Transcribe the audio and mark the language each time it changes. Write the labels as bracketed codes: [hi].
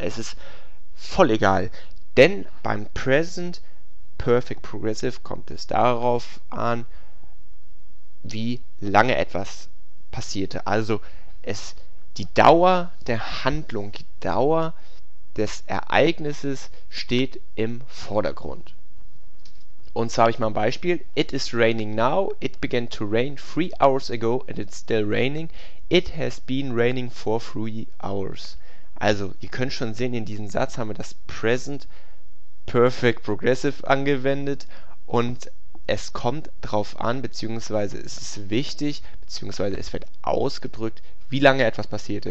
[de] Es ist voll egal. Denn beim Present Perfect Progressive kommt es darauf an, wie lange etwas passierte. Also die Dauer der Handlung, die Dauer des Ereignisses steht im Vordergrund. Und zwar habe ich mal ein Beispiel. [en] It is raining now. It began to rain 3 hours ago and it's still raining. It has been raining for 3 hours. [de] Also, ihr könnt schon sehen, in diesem Satz haben wir das Present Perfect Progressive angewendet. Und es kommt drauf an, beziehungsweise es ist wichtig, beziehungsweise es wird ausgedrückt, wie lange etwas passierte.